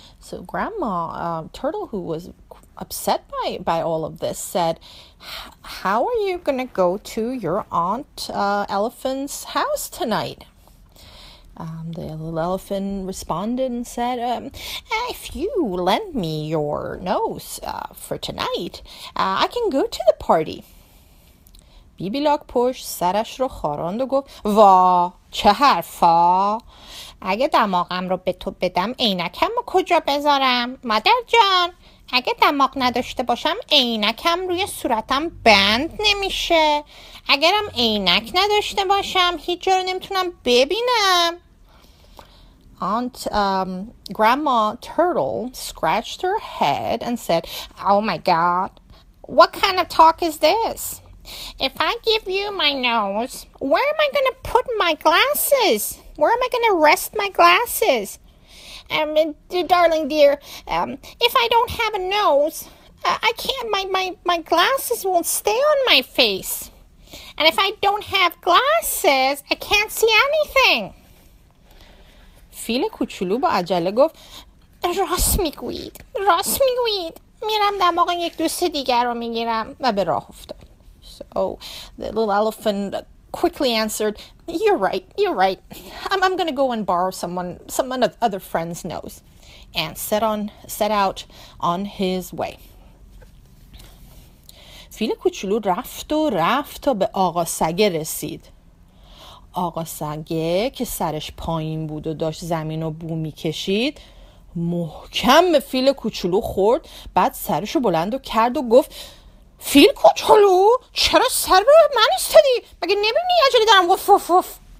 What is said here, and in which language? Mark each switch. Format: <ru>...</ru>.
<en>So grandma turtle who was upset by all of this said how are you going to go to your aunt elephant's house tonight? The little elephant responded and said, if you lend me your nose for tonight, I can go to the party.</en> <fa>بیبی لاک پشت سرش رو خاراند و گفت وا چه حرفا؟ اگه دماغم رو به تو بدم عینکم رو کجا بذارم؟ مادر جان اگه دماغ نداشته باشم عینکم روی صورتم بند نمیشه. اگرم عینک نداشته باشم هیچ جا رو نمیتونم ببینم.</fa> <en>Aunt Grandma Turtle scratched her head and said, Oh my God, what kind of talk is this? If I give you my nose, where am I going to put my glasses? Where am I going to rest my glasses? Darling dear, if I don't have a nose, I can't, my glasses won't stay on my face. And if I don't have glasses, I can't see anything.</en> <fa>فیل کوچولو با عجله گفت راست میگوید میرم دماغ یک دوست دیگر رو میگیرم و به راه افتاد.</fa> <en>So the little elephant quickly answered, you're right, I'm gonna go and borrow someone of other friend's nose, and set out on his way.</en> <fa>فیل کوچولو رفت و به آقا سگ رسید. آقا سگه که سرش پایین بود و داشت زمین رو بو میکشید محکم به فیل کوچولو خورد، بعد سرش رو بلند و کرد و گفت فیل کوچولو چرا سر رو من ایستادی؟ مگه نمیبینی عجله دارم؟ وف وف وف.</fa>